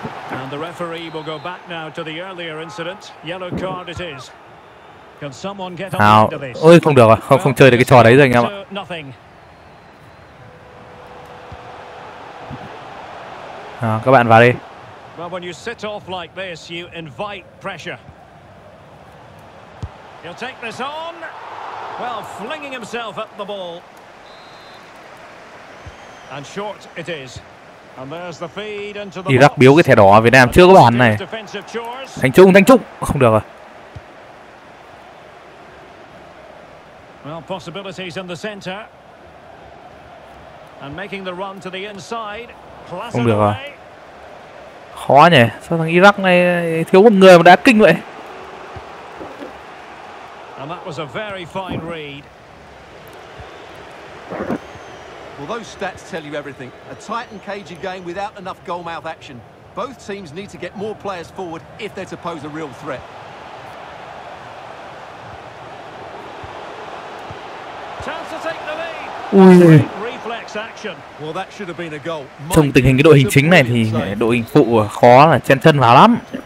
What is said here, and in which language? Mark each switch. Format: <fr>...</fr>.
<en>And the referee will go back now to the earlier incident. Yellow card it is. Can someone get on to this?</en> <vi>Ôi không được à, không chơi được cái trò đấy rồi anh em ạ. Nào, các bạn vào đi.</vi> <en>Well, when you sit off like this, you invite pressure. He'll take this on. Well, flinging himself at the ball. And short it is. And there's the feed into the</en> <vi>Iraq biếu cái thẻ đỏ Việt Nam chưa có bàn này. Thành Trung không được rồi.</vi> <en>Well, possibilities in the center. And making the run to the inside.</en> <vi>Không được rồi. Khó nhỉ, sao thằng Iraq này thiếu một người mà đá kinh vậy.</vi> <en>And that was a very fine read. Well, those stats tell you everything. A tight and cagey game without enough goal mouth action. Both teams need to get more players forward if they're to pose a real threat. Chance to take the lead. Reflex action. Well, that should have been a goal.</en> <vi>Trong tình hình cái đội hình chính này thì đội hình phụ khó là chen chân vào lắm.</vi>